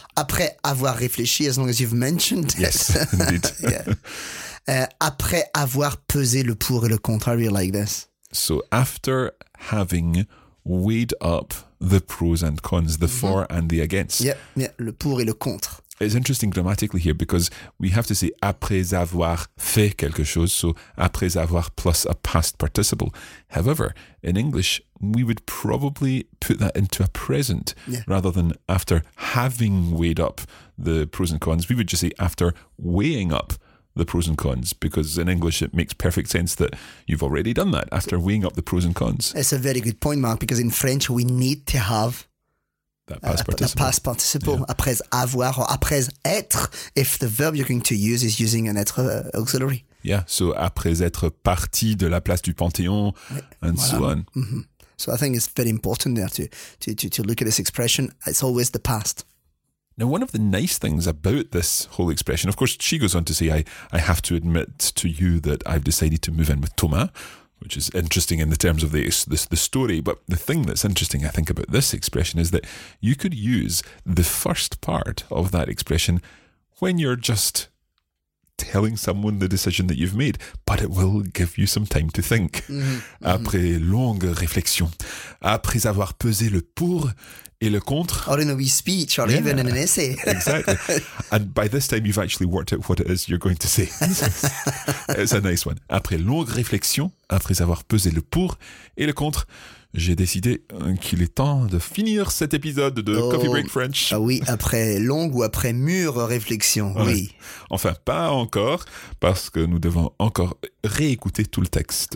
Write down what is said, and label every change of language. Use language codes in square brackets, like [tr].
[fr] Après avoir réfléchi, [en] as long as you've mentioned it. Yes, indeed. [fr] Après avoir pesé le pour et le contre, [en] I really like this. So after having weighed up the pros and cons, the mm-hmm. for and the against. [fr] Yeah, le pour et le contre. [en] It's interesting grammatically here because we have to say [fr] après avoir fait quelque chose, [en] so [fr] après avoir [en] plus a past participle. However, in English, we would probably put that into a present rather than after having weighed up the pros and cons. We would just say after weighing up the pros and cons, because in English it makes perfect sense that you've already done that after weighing up the pros and cons. It's a very good point, Mark, because in French we need to have that past participle, yeah. [fr] Après avoir [en] or [fr] après être, [en] if the verb you're going to use is using an être auxiliary. [fr] Yeah, so après être parti de la place du Panthéon, [en] and so on. Mm-hmm. So I think it's very important there to look at this expression. It's always the past. Now, one of the nice things about this whole expression, of course, she goes on to say, I have to admit to you that I've decided to move in with Thomas, which is interesting in the terms of the story. But the thing that's interesting, I think, about this expression is that you could use the first part of that expression when you're just telling someone the decision that you've made, but it will give you some time to think. Mm-hmm. [fr] Après longue réflexion, après avoir pesé le pour et le contre. [en] Or in a wee speech, or even in an essay. Exactly. And by this time, you've actually worked out what it is you're going to say. It's a nice one. [fr] Après longue réflexion, après avoir pesé le pour et le contre, j'ai décidé qu'il est temps de finir cet épisode de Coffee Break French. Ah oui, après longue ou après mûre réflexion, ouais. Oui. Enfin, pas encore, parce que nous devons encore réécouter tout le texte.